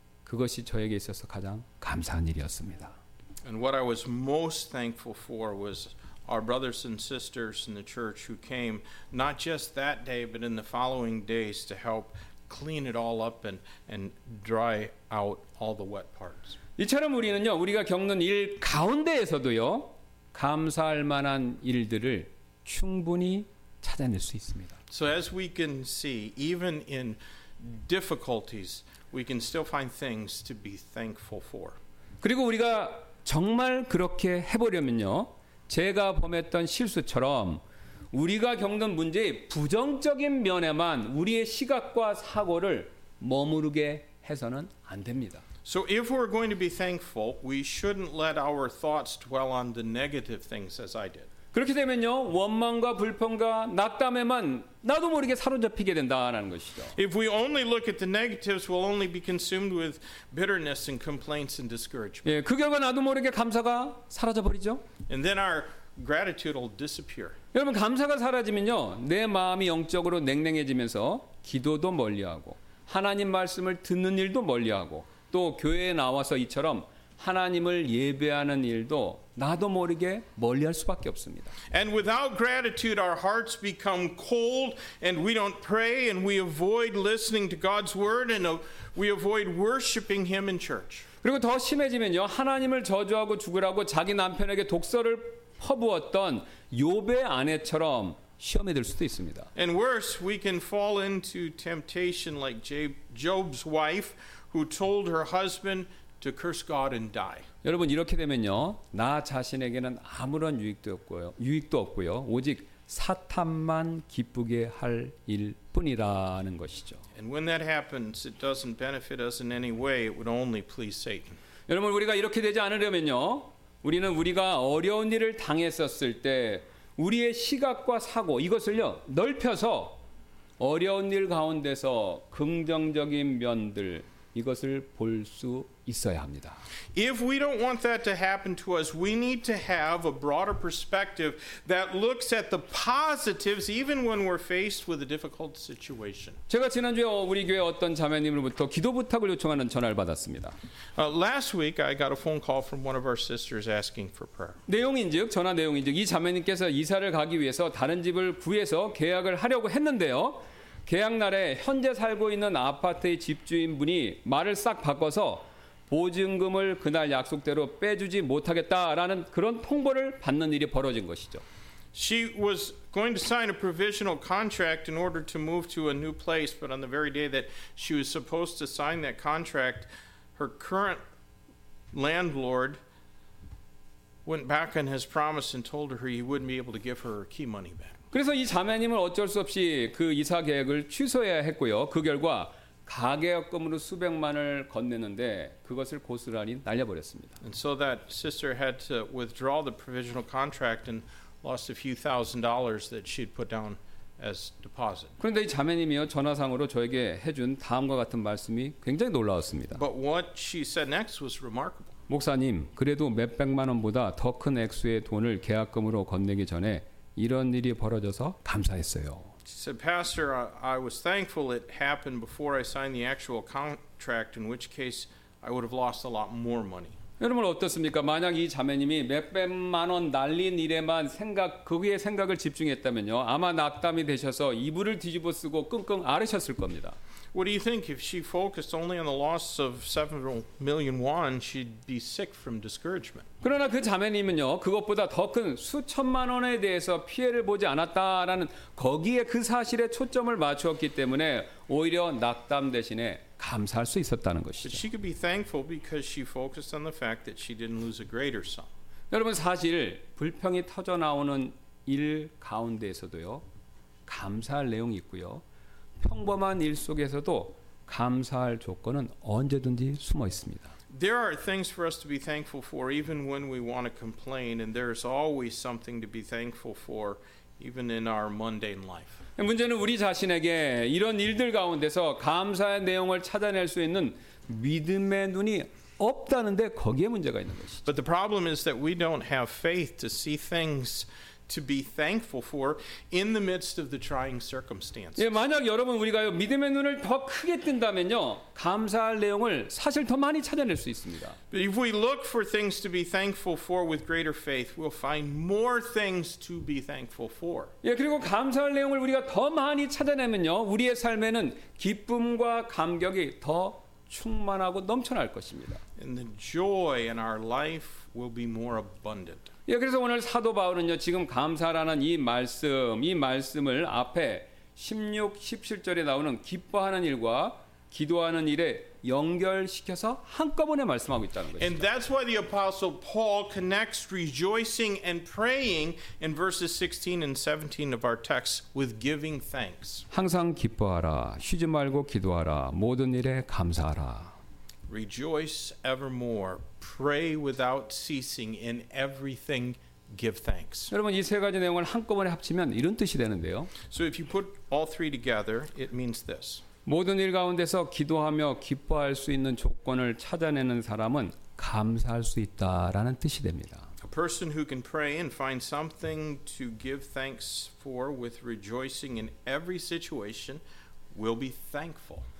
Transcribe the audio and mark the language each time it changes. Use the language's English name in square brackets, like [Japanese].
[Korean] 그것이 저에게 있어서 가장 감사한 일이었습니다. [English] And what I was most thankful for was our brothers and sisters in the church who came not just that day but in the following days to help clean it all up and dry out all the wet parts. [Korean] 이처럼 우리는요, 우리가 겪는 일 가운데에서도요, 감사할 만한 일들을 충분히 찾아낼 수 있습니다. [English] So as we can see, even in difficulties, we can still find things to be thankful for. [Korean] 그리고 우리가 정말 그렇게 해보려면요, 제가 범했던 실수처럼 우리가 겪는 문제의 부정적인 면에만 우리의 시각과 사고를 머무르게 해서는 안 됩니다. [English] So if we're going to be thankful, we shouldn't let our thoughts dwell on the negative things as I did. [Korean] 그렇게 되면요, 원망과 불평과 낙담에만 나도 모르게 사로잡히게 된다라는 것이죠. [English] If we only look at the negatives, we'll only be consumed with bitterness and complaints and discouragement. [Korean] 예, 그 결과 나도 모르게 감사가 사라져버리죠. [English] And then our gratitude will disappear. [Korean] 여러분, 감사가 사라지면요, 내 마음이 영적으로 냉랭해지면서 기도도 멀리하고 하나님 말씀을 듣는 일도 멀리하고 또 교회에 나와서 이처럼 하나님을 예배하는 일도 나도 모르게 멀리할 수밖에 없습니다. [English] And without gratitude, our hearts become cold, and we don't pray, and we avoid listening to God's word, and we avoid worshiping Him in church. [Korean] 그리고 더 심해지면요, 하나님을 저주하고 죽으라고 자기 남편에게 독서를 퍼부었던 욥의 아내처럼 시험에 들 수도 있습니다. [English] And worse, we can fall into temptation like Job's wife, who told her husband to curse God and die. [Korean] 여러분, 이렇게 되면요, 나 자신에게는 아무런 유익도 없고요, 오직 사탄만 기쁘게 할 일뿐이라는 것이죠. [English] And when that happens, it doesn't benefit us in any way. It would only please Satan. [Korean] 여러분, 우리가 이렇게 되지 않으려면요, 우리는 우리가 어려운 일을 당했었을 때 우리의 시각과 사고 이것을요 넓혀서 어려운 일 가운데서 긍정적인 면들 이것을 볼 수 있어야 합니다. [English] If we don't want that to happen to us, we need to have a broader perspective that looks at the positives even when we're faced with a difficult situation. [Korean] 제가 지난주에 우리 교회 어떤 자매님으로부터 기도 부탁을 요청하는 전화를 받았습니다. [English] Last week I got a phone call from one of our sisters asking for prayer. [Korean] 내용인즉 전화 내용인즉 이 자매님께서 이사를 가기 위해서 다른 집을 구해서 계약을 하려고 했는데요. 계약 날에 현재 살고 있는 아파트의 집주인분이 말을 싹 바꿔서 보증금을 그날 약속대로 빼주지 못하겠다라는 그런 통보를 받는 일이 벌어진 것이죠. [English] She was going to sign a provisional contract in order to move to a new place, but on the very day that she was supposed to sign that contract, her current landlord went back on his promise and told her he wouldn't be able to give her key money back. [Korean] 그래서 이 자매님은 어쩔 수 없이 그 이사 계획을 취소해야 했고요. 그 결과 가계약금으로 수백만을 건네는데 그것을 고스란히 날려버렸습니다. [English] And so that sister had to withdraw the provisional contract and lost a few thousand dollars that she'd put down as deposit. [Korean] 그런데 이 자매님이요, 전화상으로 저에게 해준 다음과 같은 말씀이 굉장히 놀라웠습니다. [English] But what she said next was remarkable. [Korean] 목사님, 그래도 몇백만 원보다 더 큰 액수의 돈을 계약금으로 건네기 전에 이런 일이 벌어져서 감사했어요. [English] She said, Pastor, I was thankful it happened before I signed the actual contract, in which case I would have lost a lot more money. [Korean] 여러분 어떻습니까? 만약 이 자매님이 몇백만 원 날린 일에만 생각, 거기에 생각을 집중했다면요, 아마 낙담이 되셔서 이불을 뒤집어쓰고 끙끙 앓으셨을 겁니다. [English] What do you think? If she focused only on the loss of several million won, she'd be sick from discouragement. [Korean] 그러나 그 자매님은요, 그것보다 더 큰 수천만 원에 대해서 피해를 보지 않았다라는 거기에 그 사실에 초점을 맞추었기 때문에 오히려 낙담 대신에 감사할 수 있었다는 것이죠. [English] But she could be thankful because she focused on the fact that she didn't lose a greater sum. [Korean] 여러분, 사실 불평이 터져 나오는 일 가운데에서도요, 감사할 내용이 있고요. 평범한 일 속에서도 감사할 조건은 언제든지 숨어 있습니다. [English] There are things for us to be thankful for even when we want to complain, and there is always something to be thankful for even in our mundane life. [Korean] 문제는 우리 자신에게 이런 일들 가운데서 감사의 내용을 찾아낼 수 있는 믿음의 눈이 없다는데 거기에 문제가 있는 것이죠. [English] But the problem is that we don't have faith to see things to be thankful for in the midst of the trying circumstances. [Korean] 예, 만약 여러분 우리가요 믿음의 눈을 더 크게 뜬다면요, 감사할 내용을 사실 더 많이 찾아낼 수 있습니다. [English] If we look for things to be thankful for with greater faith, we'll find more things to be thankful for. [Korean] 예, 그리고 감사할 내용을 우리가 더 많이 찾아내면요, 우리의 삶에는 기쁨과 감격이 더 충만하고 넘쳐날 것입니다. [English] And the joy in our life will be more abundant. [Korean] 예, 그래서 오늘 사도 바울은요, 지금 감사라는 이 말씀을 앞에 16, 17절에 나오는 기뻐하는 일과 기도하는 일에 연결시켜서 한꺼번에 말씀하고 있다는 것이죠. [English] And that's why the apostle Paul connects rejoicing and praying in verses 16 and 17 of our text with giving thanks. [Korean] 항상 기뻐하라. 쉬지 말고 기도하라. 모든 일에 감사하라. [English] Rejoice evermore. Pray without ceasing in everything. Give thanks. [Korean] 여러분 이 세 가지 내용을 한꺼번에 합치면 이런 뜻이 되는데요. [English] So if you put all three together, it means this. [Korean] 모든 일 가운데서 기도하며 기뻐할 수 있는 조건을 찾아내는 사람은 감사할 수 있다라는 뜻이 됩니다. [English] A person who can pray and find something to give thanks for with rejoicing in every situation will be thankful.